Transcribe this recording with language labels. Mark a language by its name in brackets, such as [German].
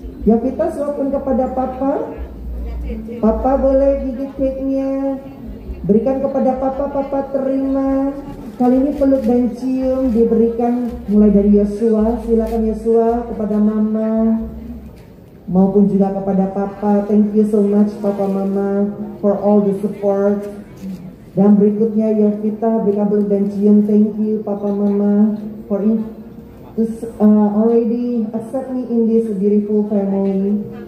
[Indonesian] Yovita suapkan kepada Papa. Papa boleh gigit cake-nya. Berikan kepada Papa. Papa terima. Kali ini peluk dan cium diberikan mulai dari Yosua. Silakan Yosua kepada Mama maupun juga kepada Papa. [English] Thank you so much Papa Mama for all the support. [Indonesian] Dan berikutnya Yovita, berikan peluk dan cium. [English] Thank you Papa Mama for already accept me in this beautiful family.